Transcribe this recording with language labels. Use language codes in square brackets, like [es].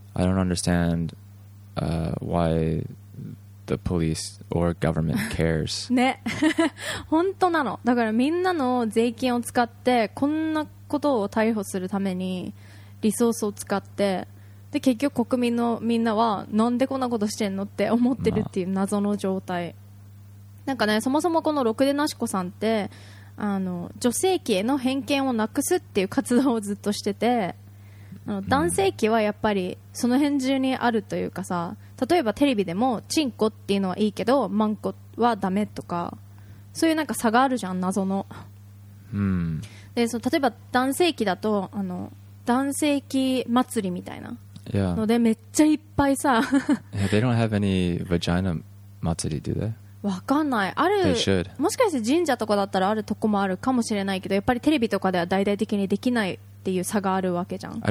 [en] I don't understand, why the police or government cares. [ja] ね、本当なの。だからみんなの税金を使ってこんなことを逮捕するためにリソースを使って、で結局国民のみんなはなんでこんなことしてんのって思ってるっていう謎の状態。なんかね、そもそもこのろくでなし子さんって。あの女性器への偏見をなくすっていう活動をずっとしてて、あの男性器はやっぱりその辺中にあるというかさ、例えばテレビでもチンコっていうのはいいけどマンコはダメとか、そういうなんか差があるじゃん、謎の、うん、でその例えば男性器だとあの男性器祭りみたいなので、めっちゃいっぱいさ、 [en] yeah. They don't have any vagina 祭り do they? [ja] わかんない、ある、もしかして神社とかだったらあるとこもあるかもしれないけど、やっぱりテレビとかでは大々的にできないっていう差があるわけじゃん。